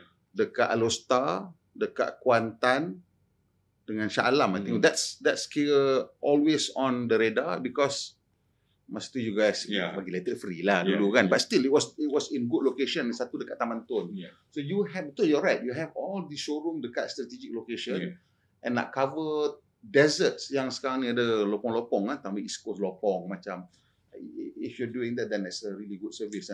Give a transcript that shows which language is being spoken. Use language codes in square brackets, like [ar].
[ms] Dekat Alostar. Dekat Kuantan. Dengan Shah Alam. [en] I think that's [ms] kira [en] always on the radar, because [ms] masa tu [en] you guys [ms] bagi [en] letter free [ms] lah dulu kan. [en] But still it was in good location. [ms] Satu dekat Taman Tun. [en] So you have, [ms] betul, [en] you're right. You have all the showroom [ms] dekat [en] strategic location. [ms] And nak cover deserts yang sekarang ni ada lopong-lopong kan. Tambah East Coast lopong macam. [en] If you're doing that, then that's a really good service.